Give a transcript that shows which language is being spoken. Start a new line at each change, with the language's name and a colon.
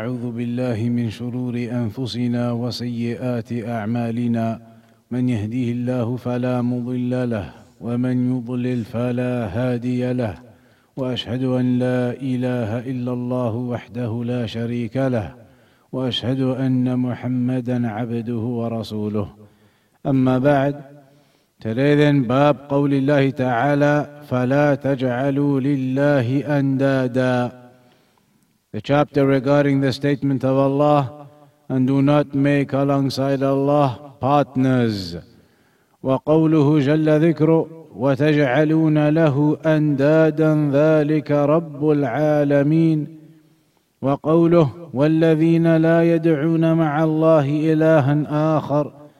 Arabic: أعوذ بالله من شرور أنفسنا وسيئات أعمالنا من يهديه الله فلا مضل له ومن يضلل فلا هادي له وأشهد أن لا إله إلا الله وحده لا شريك له وأشهد أن محمدًا عبده ورسوله أما بعد تريدن باب قول الله تعالى فلا تجعلوا لله أندادا.
English: The chapter regarding the statement of Allah, and do not make alongside Allah partners.
Arabic: وقوله جل ذكره وتجعلون له أندادا ذلك رب العالمين وقوله والذين لا يدعون مع الله إلها آخر